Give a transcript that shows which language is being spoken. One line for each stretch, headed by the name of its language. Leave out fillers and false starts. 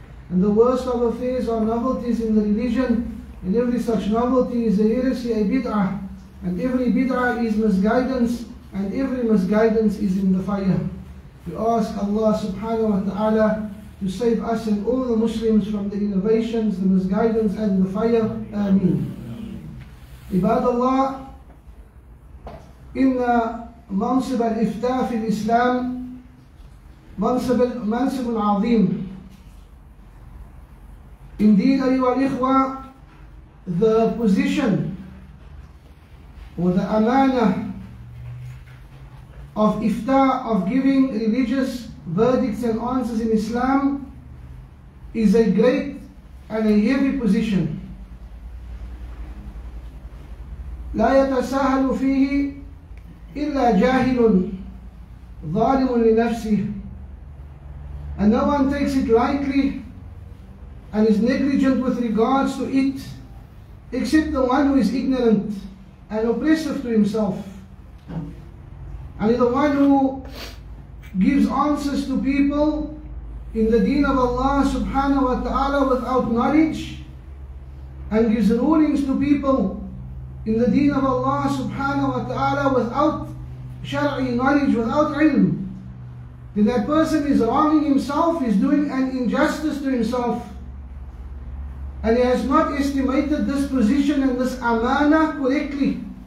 English: And the worst of affairs are novelties in the religion, and every such novelty is a heresy, a bid'ah. And every bid'ah is misguidance, and every misguidance is in the fire. We ask Allah subhanahu wa ta'ala to save us and all the Muslims from the innovations, the misguidance, and the fire. Ameen.
Arabic: Ibadallah, inna منصب الإفتاء في الإسلام منصب عظيم.
English: Indeed,
Arabic: أيها الإخوة,
English: the position or the amanah of إفتاء, of giving religious verdicts and answers in Islam, is a great and a heavy position.
Arabic: لا يتساهل فيه إلا جاهل ظالم لنفسه.
English: And no one takes it lightly and is negligent with regards to it except the one who is ignorant and oppressive to himself. And the one who gives answers to people in the deen of Allah subhanahu wa ta'ala without knowledge, and gives rulings to people in the deen of Allah subhanahu wa ta'ala without shar'i knowledge, without ilm, then that person is wronging himself, is doing an injustice to himself, and he has not estimated this position and this amana correctly.